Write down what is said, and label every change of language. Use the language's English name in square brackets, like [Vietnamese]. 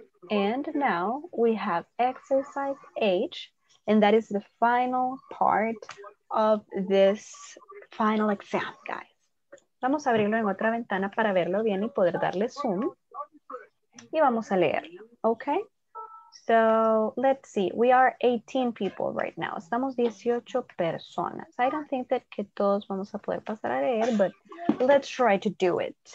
[English] And now we have exercise H, and that is the final part of this final exam, guys. [Spanish] Vamos a abrirlo en otra ventana para verlo bien y poder darle zoom. Y vamos a leerlo, okay? [English] So let's see, we are 18 people right now. [Spanish] Estamos 18 personas. [English] I don't think that [Spanish] que todos vamos a poder pasar a leer, [English] but let's try to do it.